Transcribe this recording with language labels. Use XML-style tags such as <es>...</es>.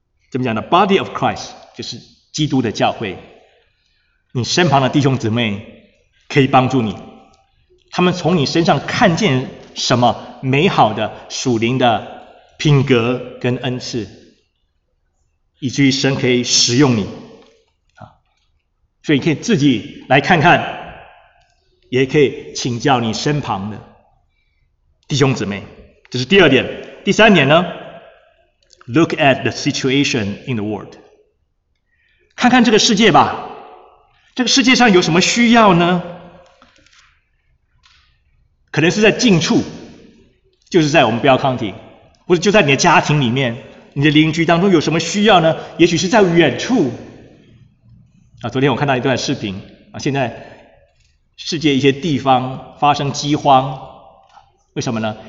<zh>怎么讲呢 ？Body of Christ 就是基督的教会。你身旁的弟兄姊妹可以帮助你，他们从你身上看见什么美好的属灵的品格跟恩赐，以至于神可以使用你啊。所以你可以自己来看看，也可以请教你身旁的弟兄姊妹。这是第二点。第三点呢 ？</zh> <en>Look at the situation in the world，</en> <zh>看看这个世界吧。这个世界上有什么需要呢？可能是在近处，就是在我们Bell County，或者就在你的家庭里面，你的邻居当中有什么需要呢？也许是在远处。昨天我看到一段视频现在世界一些地方发生饥荒，为什么呢？</zh>